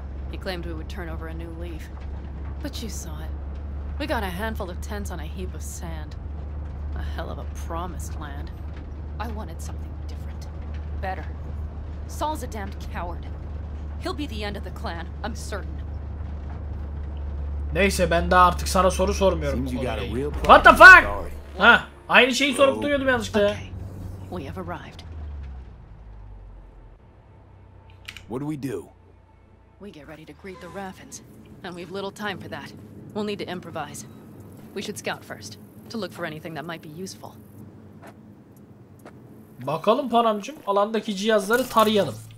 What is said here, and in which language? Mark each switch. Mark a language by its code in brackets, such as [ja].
[en] He claimed we would turn over a new leaf. But you saw it. We got a handful of tents on a heap of sand. A hell of a promised land. I wanted something different. Better. Saul's a damned coward. He'll be the end of the clan, I'm certain. [tr] Neyse ben daha artık sana soru sormuyorum. [en] What the fuck? [tr] Ha, aynı şeyi sorup duruyordum yanlışlıkla. [en] Okay. We have arrived. What do we do? We get ready to greet the Raffens, and we've little time for that. We'll need to improvise. We should scout first to look for anything that might be useful. [tr] Bakalım panamcığım, alandaki cihazları tarayalım.